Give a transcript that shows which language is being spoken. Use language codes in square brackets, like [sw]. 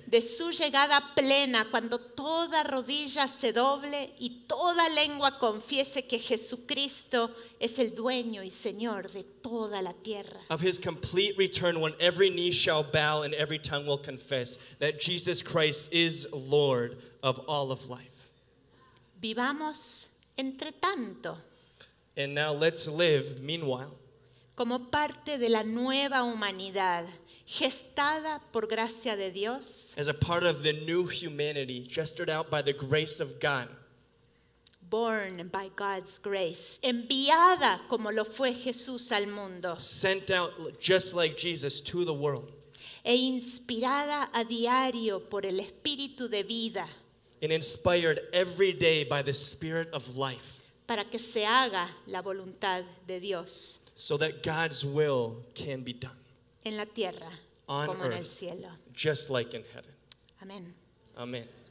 [es] De su llegada plena, cuando toda rodilla se doble y toda lengua confiese que Jesucristo es el dueño y señor de toda la tierra. [en] Of his complete return, when every knee shall bow and every tongue will confess that Jesus Christ is Lord of all of life. [es] Vivamos entre tanto. [en] And now let's live meanwhile. [es] Como parte de la nueva humanidad gestada por gracia de Dios. [en] As a part of the new humanity gestured out by the grace of God. Born by God's grace, [es] enviada como lo fue Jesús al mundo. [en] Sent out just like Jesus to the world. [es] E inspirada a diario por el Espíritu de vida. [en] And inspired every day by the Spirit of life. [es] Para que se haga la voluntad de Dios. [en] So that God's will can be done. [es] En la tierra, [en] on [es] como [en] earth, [es] en el cielo. [en] Just like in heaven. [es] Amen. [en] Amen.